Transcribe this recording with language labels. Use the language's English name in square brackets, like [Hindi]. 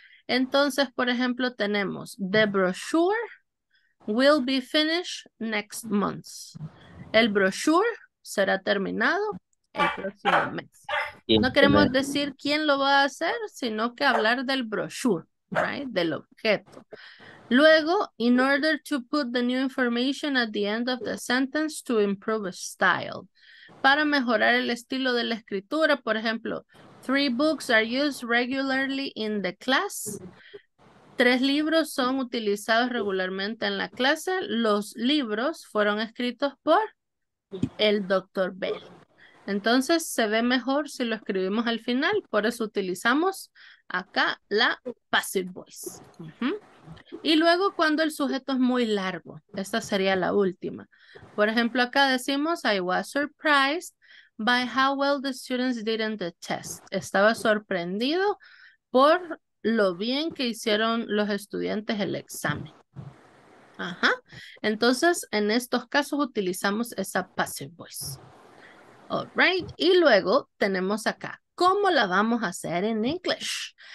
[Spanish] Entonces, por ejemplo, tenemos [English] the brochure will be finished next month. [Spanish] El brochure será terminado el próximo mes. No queremos decir quién lo va a hacer, sino que hablar del brochure, [English] right? [Spanish] Del objeto. [English] Luego, in order to put the new information at the end of the sentence to improve style. [Spanish] Para mejorar el estilo de la escritura, por ejemplo, [English] three books are used regularly in the class. [Spanish] Tres libros son utilizados regularmente en la clase. Los libros fueron escritos por el Dr. Bell. Entonces, se ve mejor si lo escribimos al final. Por eso utilizamos acá la passive voice. Y luego, cuando el sujeto es muy largo. Esta sería la última. Por ejemplo, acá decimos, [English] I was surprised by how well the students did in the test. [Spanish] Estaba sorprendido por lo bien que hicieron los estudiantes el examen. Ajá. Entonces, en estos casos utilizamos esa passive voice. [English] All right. [Spanish] Y luego tenemos acá, ¿cómo la vamos a hacer en inglés?